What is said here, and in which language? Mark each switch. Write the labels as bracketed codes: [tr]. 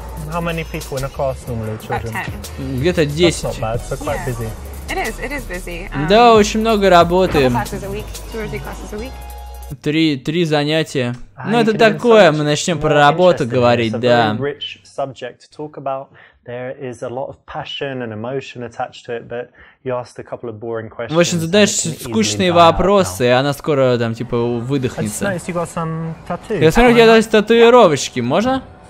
[en] How many people in a class normally, children? [ru] Где-то 10. [en] That's not bad, so quite busy. It is busy. [ru] Да, очень много работаем. [en] Couple classes a week, 2 or 3 classes a week. [ru] Три занятия. Ну, это такое, мы начнем про работу говорить, да. [en] It's a very rich subject to talk about. There is a lot of passion and emotion attached to it, but you asked a couple of boring questions. [ru] В общем, задаешь скучные вопросы, и она скоро там типа выдохнется. Я смотрю, у тебя есть татуировочки, можно?